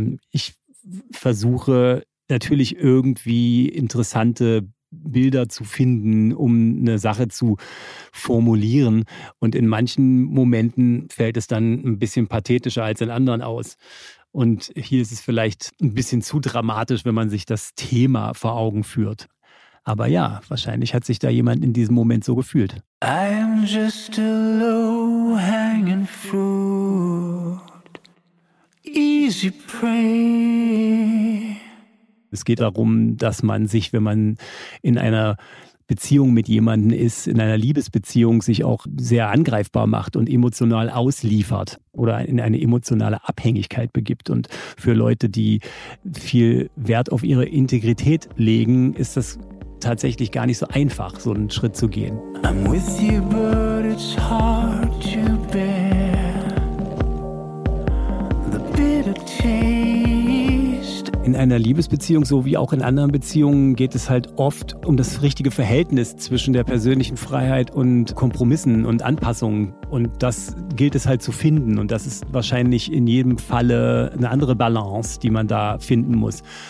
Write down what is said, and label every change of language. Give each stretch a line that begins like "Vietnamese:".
German: Ich versuche natürlich irgendwie interessante Bilder zu finden, um eine Sache zu formulieren. Und in manchen Momenten fällt es dann ein bisschen pathetischer als in anderen aus. Und hier ist es vielleicht ein bisschen zu dramatisch, wenn man sich das Thema vor Augen führt. Aber ja, wahrscheinlich hat sich da jemand in diesem Moment so gefühlt.
English: I am just a low-hanging fruit, easy prey.
German: Es geht darum, dass man sich, wenn man in einer Beziehung mit jemandem ist, in einer Liebesbeziehung sich auch sehr angreifbar macht und emotional ausliefert oder in eine emotionale Abhängigkeit begibt. Und für Leute, die viel Wert auf ihre Integrität legen, ist das tatsächlich gar nicht so einfach, so einen Schritt zu gehen.
English: I'm with you, but it's hard to bear the bitter taste.
German: In einer Liebesbeziehung, so wie auch in anderen Beziehungen, geht es halt oft um das richtige Verhältnis zwischen der persönlichen Freiheit und Kompromissen und Anpassungen. Und das gilt es halt zu finden. Und das ist wahrscheinlich in jedem Falle eine andere Balance, die man da finden muss.